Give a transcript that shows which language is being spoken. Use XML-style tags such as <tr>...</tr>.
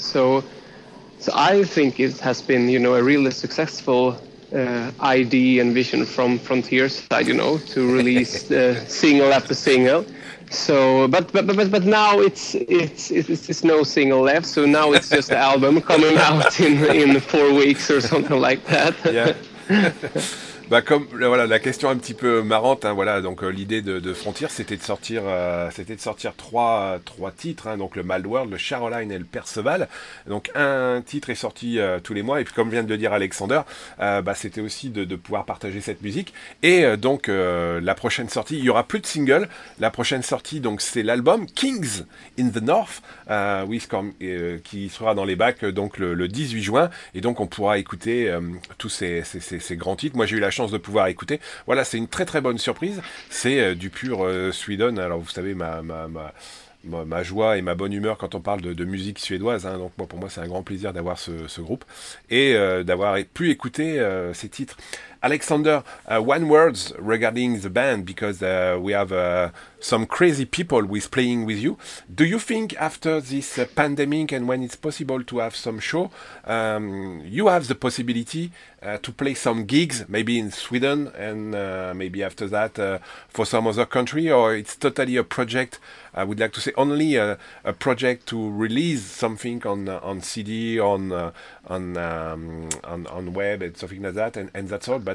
<en>So I think it has been, you know, a really successful ID and vision from Frontier's side, you know, to release single after single. So but now it's no single left, so now it's just the album coming out in 4 weeks or something like that.</en> <fr>Bah comme voilà, la question un petit peu marrante, hein, voilà, donc l'idée de Frontier, c'était de sortir trois titres, hein, donc le Mild World, le Charoline et le Perceval. Donc un titre est sorti tous les mois, et puis comme vient de le dire Alexander, bah c'était aussi de pouvoir partager cette musique. Et donc la prochaine sortie, il y aura plus de single, la prochaine sortie, donc c'est l'album Kings in the North, qui sera dans les bacs donc le 18 juin, et donc on pourra écouter tous ces grands titres. Moi j'ai eu la chance de pouvoir écouter. Voilà, c'est une très très bonne surprise. C'est du pur Sweden. Alors vous savez ma joie et ma bonne humeur quand on parle de musique suédoise, hein. Donc moi, pour moi, c'est un grand plaisir d'avoir ce groupe et d'avoir pu écouter ces titres.</fr> <en>Alexander, one words regarding the band, because we have some crazy people who is playing with you. Do you think after this pandemic and when it's possible to have some show, you have the possibility to play some gigs, maybe in Sweden and maybe after that for some other country, or it's totally a project, I would like to say, only a project to release something on CD, on web and something like that, and that's all.</en>